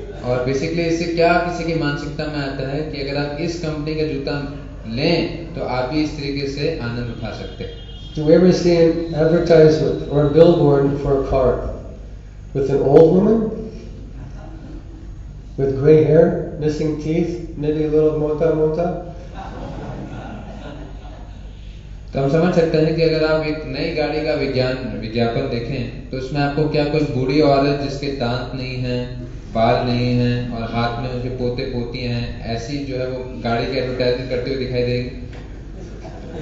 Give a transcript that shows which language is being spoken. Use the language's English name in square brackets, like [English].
[Hindi] और basically इससे क्या किसी की मानसिकता में आता है कि अगर आप इस कंपनी का जूता लें तो आप भी इस तरीके से आनंद उठा सकते हैं. [English] Do you ever see an advertisement or a billboard for a car with an old woman with gray hair, missing teeth, maybe a little mota? [Hindi] तो हम समझ सकते हैं कि अगर आप एक नई गाड़ी का विज्ञापन देखें तो उसमें आपको क्या कुछ बूढ़ी औरत जिसके दांत नहीं हैं, बाल नहीं हैं और हाथ में उसके पोते पोती हैं ऐसी जो है वो गाड़ी के एडवर्टाइजिंग करते हुए दिखाई देगी.